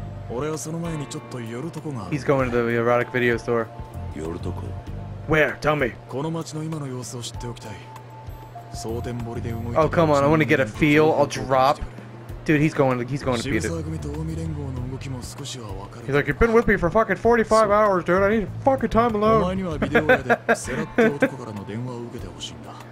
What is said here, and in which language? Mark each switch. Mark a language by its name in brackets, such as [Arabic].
[Japanese] 俺はその前にちょっと寄るとこが。 [English] He's going to the erotic video store. [Japanese] 寄るとこ。 [English] Where? Tell me. [Japanese] この街の今の様子を知っておきたい。蒼天堀で動いて。 [English] Oh come on! I want to get a feel. I'll drop. Dude, he's going to beat it. [Japanese] 渋沢組と近江連合の動きも少しはわかる。 [English] He's like, you've been with me for fucking 45 hours, dude. I need fucking time alone. [Japanese] お前にはビデオ屋でセラって男からの電話を受けてほしいんだ。